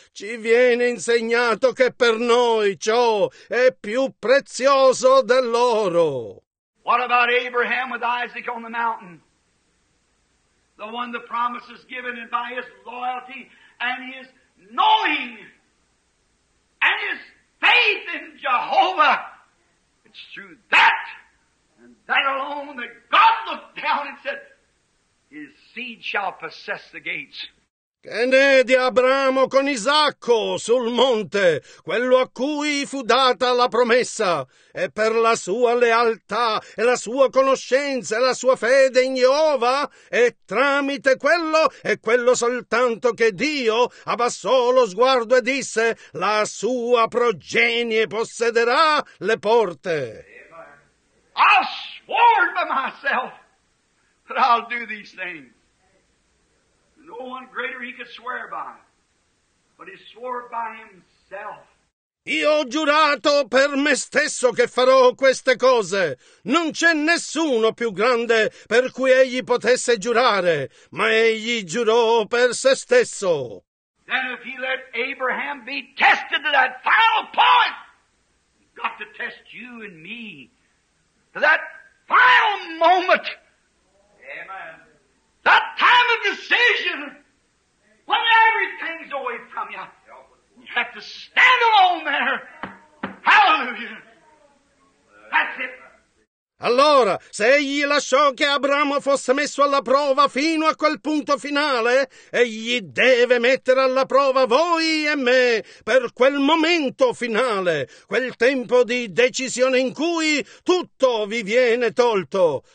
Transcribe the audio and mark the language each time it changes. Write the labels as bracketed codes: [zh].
[it] Ci viene insegnato che per noi ciò è più prezioso dell'oro. [en] What about Abraham with Isaac on the mountain? The one the promise is given, and by his loyalty and his knowing and his faith in Jehovah. It's through that and that alone that God looked down and said, his seed shall possess the gates. [it] Che ne di Abramo con Isacco sul monte, quello a cui fu data la promessa, e per la sua lealtà e la sua conoscenza e la sua fede in Geova, e tramite quello e quello soltanto che Dio abbassò lo sguardo e disse, la sua progenie possederà le porte. [en] I swore by myself, but I'll do these things. No one greater he could swear by, but he swore by himself. [it] Io ho giurato per me stesso che farò queste cose. Non c'è nessuno più grande per cui egli potesse giurare, ma egli giurò per se stesso. [en] Then if he let Abraham be tested to that final point, he's got to test you and me to that final moment. Amen. That time of decision, when everything's away from you, you have to stand alone there. Hallelujah. That's it. [it] Allora, se egli lasciò che Abramo fosse messo alla prova fino a quel punto finale, egli deve mettere alla prova voi e me per quel momento finale, quel tempo di decisione in cui tutto vi viene tolto.